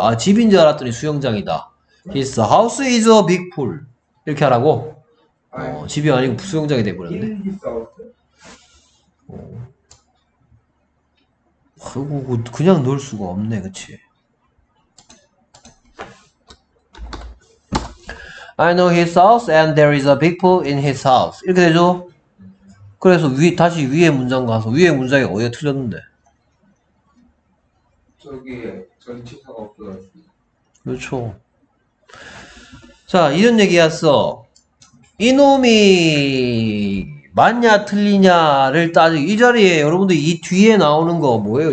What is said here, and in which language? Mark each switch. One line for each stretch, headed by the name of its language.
Korean: 아, 집인 줄 알았더니 수영장이다.
English: His house is a big pool.
Korean: 이렇게 하라고? 어, 집이 아니고 수영장이 돼버렸네. 아이고, 그냥 놀 수가 없네, 그치?
English: I know his house and there is a big pool in his house.
Korean: 이렇게 되죠? 그래서 위, 다시 위에 문장 가서, 위에 문장이 어디가 틀렸는데? 저기에 전치사가 없어졌습니다. 그렇죠. 자, 이런 얘기였어. 이놈이 맞냐 틀리냐를 따지고, 이 자리에 여러분들 이 뒤에 나오는 거 뭐예요?